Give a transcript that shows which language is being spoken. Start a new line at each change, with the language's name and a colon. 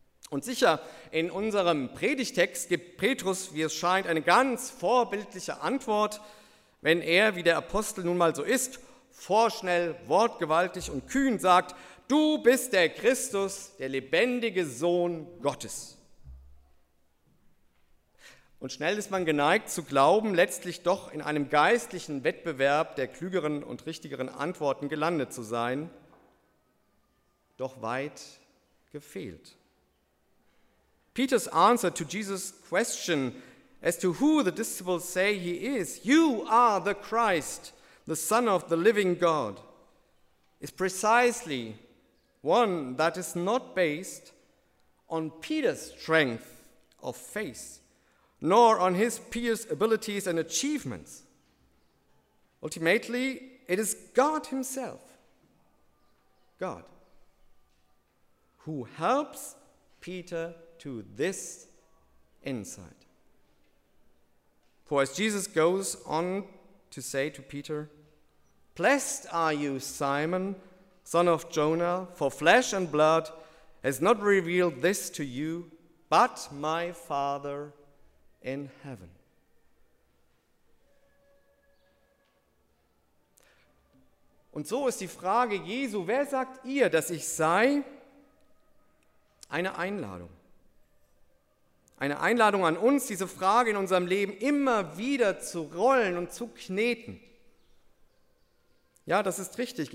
German: Und sicher, in unserem Predigtext gibt Petrus, wie es scheint, eine ganz vorbildliche Antwort, wenn er, wie der Apostel nun mal so ist, vorschnell, wortgewaltig und kühn sagt: Du bist der Christus, der lebendige Sohn Gottes. Und schnell ist man geneigt zu glauben, letztlich doch in einem geistlichen Wettbewerb der klügeren und richtigeren Antworten gelandet zu sein. Doch weit gefehlt.
English: Peter's answer to Jesus' question as to who the disciples say he is, you are the Christ, the Son of the living God, is precisely one that is not based on Peter's strength of faith, nor on his peers' abilities and achievements. Ultimately, it is God himself, God, who helps Peter to this insight. For as Jesus goes on to say to Peter, "Blessed are you, Simon, son of Jonah, for flesh and blood has not revealed this to you, but my Father in heaven."
German: Und so ist die Frage Jesu, wer sagt ihr, dass ich sei? Eine Einladung. Eine Einladung an uns, diese Frage in unserem Leben immer wieder zu rollen und zu kneten. Ja, das ist richtig.